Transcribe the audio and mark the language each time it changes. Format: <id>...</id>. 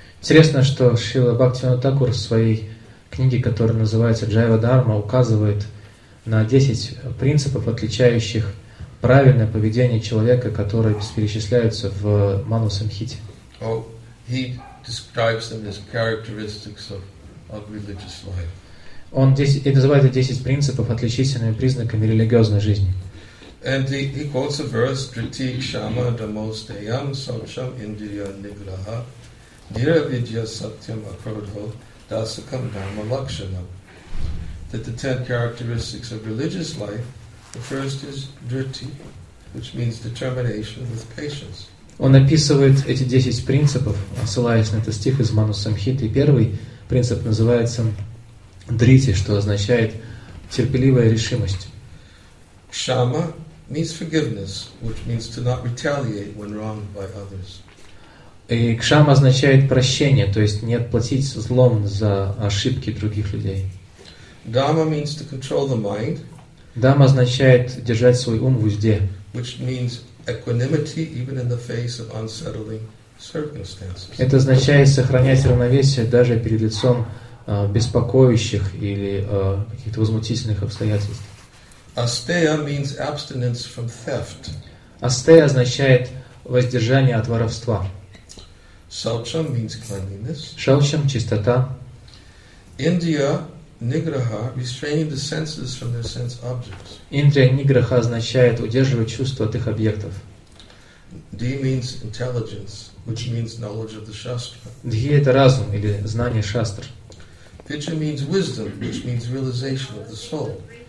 <ru>Интересно, что Шрила Бхактивинода Тхакур в своей книге, которая называется Jiva Dharma, указывает на 10 принципов, отличающих правильное поведение человека, которое перечисляется в Манусамхите.</ru> <en>Oh, he describes them as characteristics of religious life.</en> <ru>Он здесь и называет 10 принципов отличительными признаками религиозной жизни.</ru> <en>And he quotes a verse:</en> <sa>"Driti kshama damosteyam saucham indriya nigraha dira vidya satyam akrodho dasakam dharma lakshanam."</sa> <en>That the 10 characteristics of religious life. The first is dhriti, which means determination with patience.</en> <ru>Он описывает эти 10 принципов, ссылаясь на этот стих из Манусамхиты. Первый принцип называется дхрити, что означает терпеливая решимость.</ru> <en>Кшама means forgiveness, which means to not retaliate when wronged by others.</en> <ru>И кшама означает прощение, то есть не отплатить злом за ошибки других людей.</ru> <en>Дхамма means to control the mind.</en> <ru>Дама означает держать свой ум в узде.</ru> <en>Which means equanimity even in the face of unsettling circumstances.</en> <ru>Это означает сохранять равновесие даже перед лицом беспокоящих или каких-то возмутительных обстоятельств.</ru> <en>Asteya means abstinence from theft.</en> <ru>Asteya означает воздержание от воровства.</ru> <en>Saucham means cleanliness.</en> <ru>Saucham – чистота.</ru> <en>India Nigraha, restraining the senses from their sense objects.</en> <ru>Indriya nigraha означает удерживать чувства от их объектов.</ru> <en>D means intelligence, which means knowledge of the Shastra.</en> <ru>Dhi – это разум или знание шастр.</ru> <en>Vijja means wisdom, which means realization of the soul.</en>